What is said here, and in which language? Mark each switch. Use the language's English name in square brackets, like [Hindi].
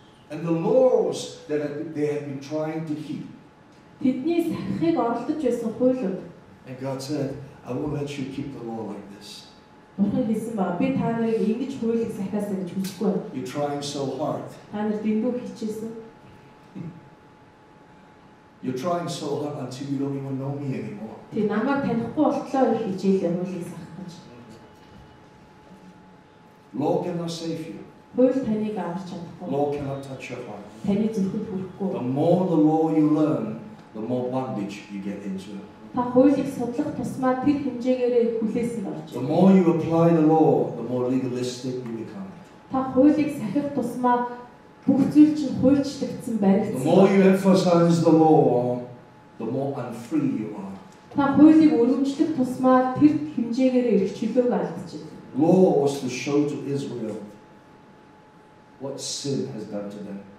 [English] And the laws that they have been trying to keep. [Mongolian] Тэдний сахихыг оролдож байсан хуулиуд. [English] And God said, I won't let you keep the law like this. [Mongolian] Бурхан хэлсэн ба би та нарыг ингэж хуулийг сахиасаа гэж хүсэхгүй. [English] You're trying so hard. [Mongolian] Та нар дэндүү хийчихсэн. [English] You're trying so hard until you don't even know me anymore. [Mongolian] Тэ намайг танихгүй болтлоо гэж хичээлээ хуулийг сахих гэж. [English] Law cannot save you. [Mongolian] Хууль таныг амарч чадахгүй. [English] Law cannot touch your heart. [Mongolian] Таны зүрхэд хүрэхгүй. [English] The more the law you learn, the more bondage you get into. [Mongolian] Та хуулийг судлах тусмаа тэр хэмжээгээрээ хүлээсэн болж байна. [English] The more you apply the law, the more legalistic you become. [Mongolian] Та хуулийг сахих тусмаа бүх зүйл чинь хуульчлагдсан баригдсан. [English] The more you emphasize the law, the more unfree you are. [Mongolian] Та хуулийг өрөмжлөх тусмаа тэр хэмжээгээрээ ирэх чөлөөг алдчихэж байна. [English] Law was to show to Israel what sin has done to them.